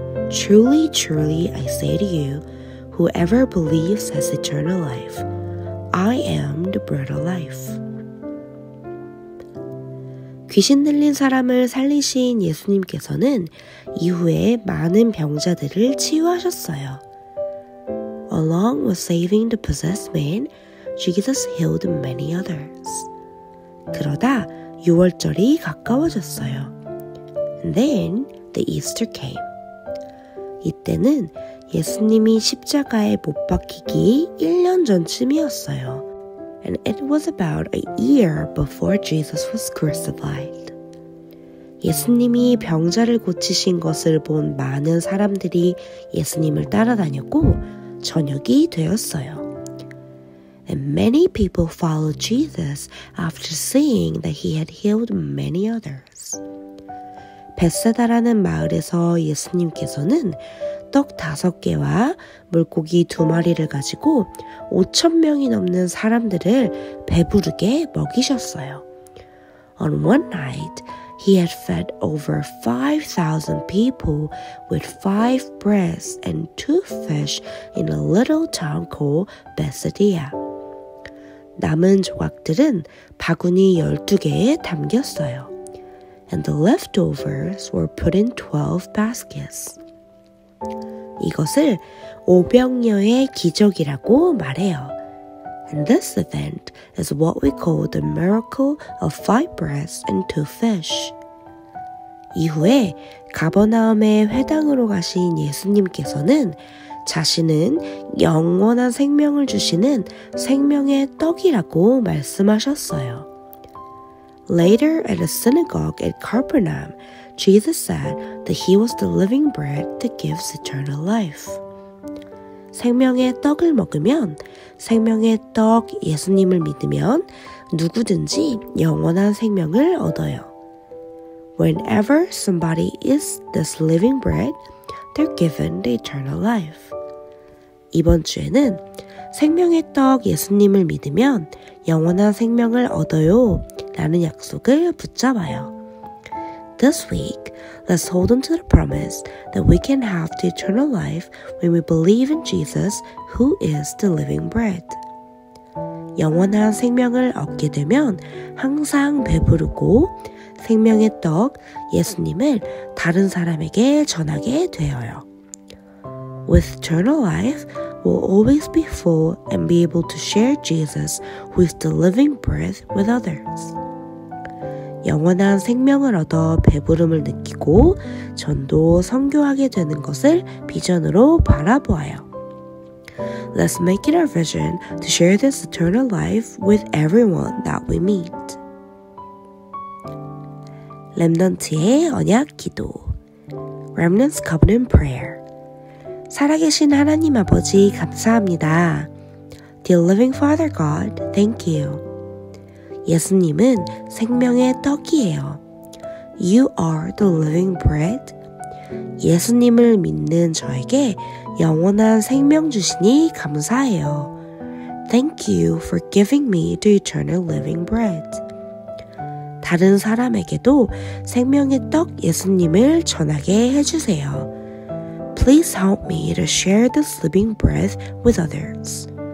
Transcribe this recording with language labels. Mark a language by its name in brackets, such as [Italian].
[English] Truly, truly, I say to you, whoever believes has eternal life. I am the bread of life. [Korean] 귀신 들린 사람을 살리신 예수님께서는 이후에 많은 병자들을 치유하셨어요. [English] Along with saving the possessed man, Jesus healed many others. [Korean] 그러다 유월절이 가까워졌어요. [English] And then the Easter came. [Korean] 이때는 예수님이 십자가에 못 박히기 1년 전쯤이었어요. [English] And it was about a year before Jesus was crucified. [Korean] 예수님이 병자를 고치신 것을 본 많은 사람들이 예수님을 따라다녔고 저녁이 되었어요. [English] And many people followed Jesus after seeing that he had healed many others. [Korean] 벳세다라는 마을에서 예수님께서는 떡 다섯 개와 물고기 두 마리를 가지고 5천 명이 넘는 사람들을 배부르게 먹이셨어요. [English] On one night, he had fed over 5,000 people with five breads and two fish in a little town called Bethsaida. [Korean] 남은 조각들은 바구니 12개에 담겼어요. [English] And the leftovers were put in 12 baskets. [Korean] 이것을 오병이어의 기적이라고 말해요. [English] And this event is what we call the miracle of five breads and two fish. [Korean] 이후에 가버나움의 회당으로 가신 예수님께서는 자신은 영원한 생명을 주시는 생명의 떡이라고 말씀하셨어요. [English] Later at a synagogue at Capernaum, Jesus said that he was the living bread that gives eternal life. [Korean] 생명의 떡을 먹으면, 생명의 떡 예수님을 믿으면 누구든지 영원한 생명을 얻어요. [English] Whenever somebody eats this living bread, they're given the eternal life. [Korean] 이번 주에는 생명의 떡 예수님을 믿으면 영원한 생명을 얻어요 라는 약속을 붙잡아요. [English] This week, let's hold on to the promise that we can have the eternal life when we believe in Jesus, who is the living bread. [Korean] 영원한 생명을 얻게 되면 항상 배부르고 생명의 떡 예수님을 다른 사람에게 전하게 되어요. [English] With eternal life, we'll always be full and be able to share Jesus, who is the living bread, with others. [Korean] 영원한 생명을 얻어 배부름을 느끼고 전도 선교하게 되는 것을 비전으로 바라보아요. [English] Let's make it our vision to share this eternal life with everyone that we meet. [Korean] 렘넌트의 언약 기도. [English] Remnant's Covenant Prayer. [Korean] 살아계신 하나님 아버지 감사합니다. [English] Dear Living Father God, thank you. [Korean] 예수님은 생명의 떡이에요. [English] You are the living bread. [Korean] 예수님을 믿는 저에게 영원한 생명 주시니 감사해요. [English] Thank you for giving me the eternal living bread. [Korean] 다른 사람에게도 생명의 떡 예수님을 전하게 해주세요. [English] Please help me to share this living bread with others.